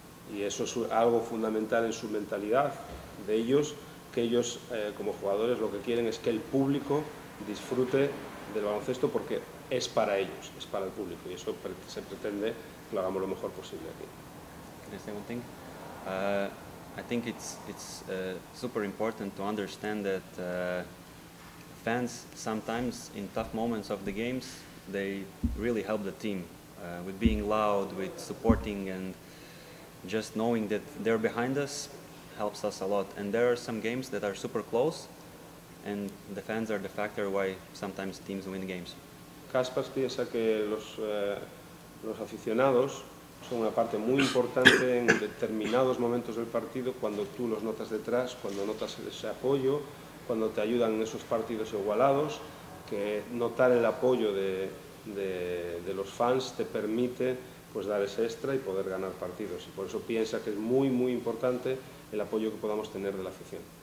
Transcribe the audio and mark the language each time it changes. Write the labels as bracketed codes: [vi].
[es] Y eso es algo fundamental en su mentalidad de ellos, que ellos como jugadores lo que quieren es que el público disfrute del baloncesto porque es para ellos, es para el público. Y eso se pretende que lo hagamos lo mejor posible aquí. [en] I think it's super important to understand that fans sometimes in tough moments of the games they really help the team with being loud, with supporting, and just knowing that they're behind us helps us a lot. And there are some games that are super close, and the fans are the factor why sometimes teams win games. [es] Kaspers piensa que los aficionados son una parte muy importante en determinados momentos del partido, cuando tú los notas detrás, cuando notas ese apoyo, cuando te ayudan en esos partidos igualados, que notar el apoyo de los fans te permite pues dar ese extra y poder ganar partidos. Y por eso piensa que es muy, muy importante el apoyo que podamos tener de la afición.